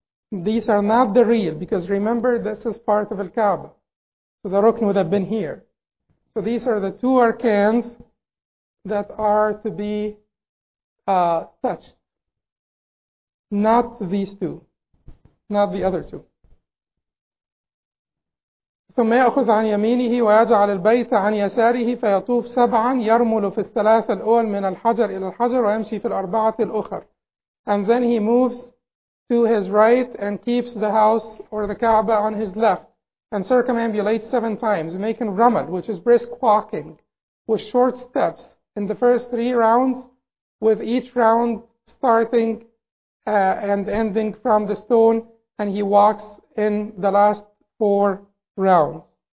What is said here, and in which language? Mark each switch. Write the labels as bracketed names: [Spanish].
[English] These are not the real, because remember, this is part of al-Kaaba. So the Rukn would have been here. So these are the two arcans that are to be touched. Not these two, not the other two. [Arabic] ثم يأخذ عن يمينه ويجعل البيت عن يساره فيطوف سبعا يرمل في الثلاث الأول من الحجر إلى الحجر ويمشي في الأربعة الأخر. [English] And then he moves to his right and keeps the house or the Kaaba on his left and circumambulates 7 times, making ramal, which is brisk walking, with short steps in the first 3 rounds, with each round starting and ending from the stone, and he walks in the last 4 rounds.